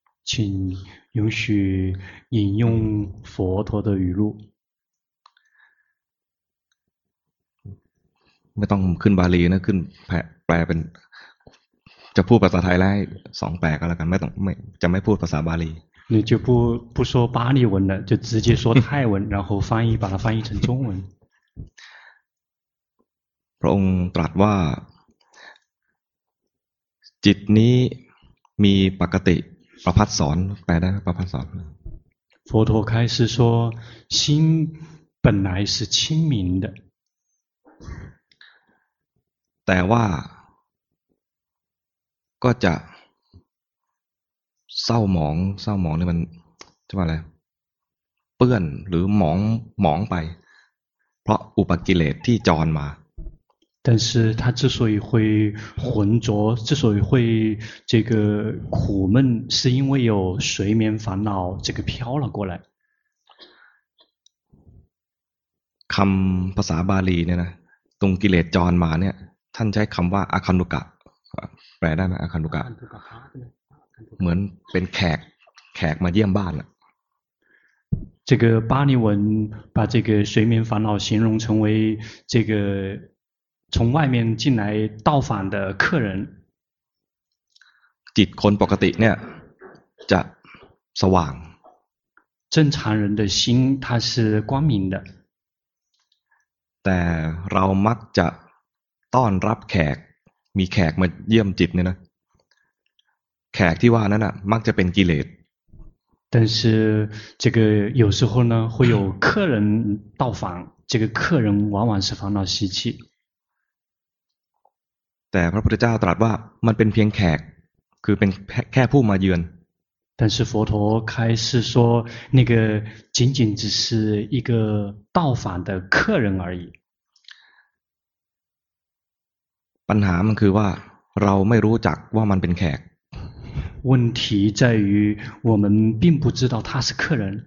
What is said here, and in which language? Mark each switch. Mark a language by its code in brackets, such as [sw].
[zh] 请允许引用佛陀的语录。 [th] ไม่ต้องขึ้นบาลีนะขึ้นแปลเป็นจะพูดภาษาไทยได้สองแปลก็แล้วกันไม่ต้องไม่จะไม่พูดภาษาบาลี [zh] 你就不说巴利文了就直接说泰文然后翻译把它翻译成中文 [th] พระองค์ตรัสว่าจิตนี้มีปกติประพัดสอนไปได้ประพัดสอน [zh] 佛陀开始说心本来是清明的 [th] แต่ว่าก็จะเศร้าหมองนี่มันจะว่าอะไรเปื้อนหรือหมองไปเพราะอุปกิเลสที่จรมา [zh] 但是他之所以会浑浊，之所以会这个苦闷，是因为有睡眠烦恼这个飘了过来。 [th] คำภาษาบาลีเนี่ยนะตรงกิเลสจรมาเนี่ยท่านใช้คำว่าอาคันตุกะแปลได้ไหมอาคันตุกะเหมือนเป็นแขกมาเยี่ยมบ้านอะ [zh] 这个巴利文把这个睡眠烦恼形容成为这个从外面进来到访的客人 [th] จิตคนปกติเนี่ยจะสว่าง [zh] 正常人的心它是光明的 [th] แต่เรามักจะต้อนรับแขกมีแขกมาเยี่ยมจิตเนี่ยนะแขกที่ว่านั้นน่ะมักจะเป็นกิเลส [zh] 但是这个有时候呢会有客人到访这个客人往往是烦恼习气 [th] แต่พระพุทธเจ้าตรัสว่ามันเป็นเพียงแขกคือเป็นแค่ผู้มาเยือน [zh] 但是佛陀开始说那个仅仅只是一个到访的客人而已 [th] ปัญหามันคือว่าเราไม่รู้จักว่ามันเป็นแขก [zh] 问题在于我们并不知道他是客人